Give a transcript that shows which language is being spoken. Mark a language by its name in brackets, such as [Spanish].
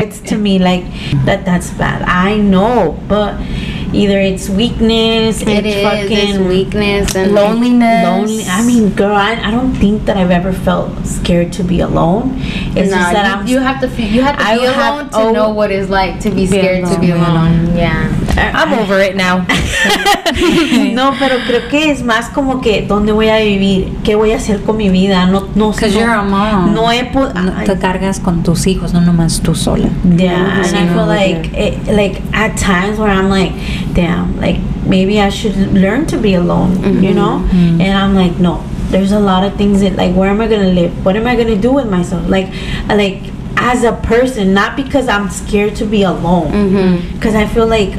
[English] It's to me like that's bad. I know, but either it's weakness, it's weakness and loneliness. I mean, girl, I don't think that I've ever felt scared to be alone. It's just that you have to be alone to know what it's like to be scared to be alone. Yeah. I'm over it now. [Spanish] No, pero creo que es más como que dónde voy a vivir, qué voy a hacer con mi vida. No [English] sé. Because you're a mom. [Spanish] No he podido. Te cargas con tus hijos, no nomás tú sola. [English] Yeah, I feel like at times where I'm like, damn, like maybe I should learn to be alone, mm-hmm. you know? Mm-hmm. And I'm like, no, there's a lot of things that, like, where am I gonna live? What am I gonna do with myself? Like, as a person, not because I'm scared to be alone, because mm-hmm. I feel like,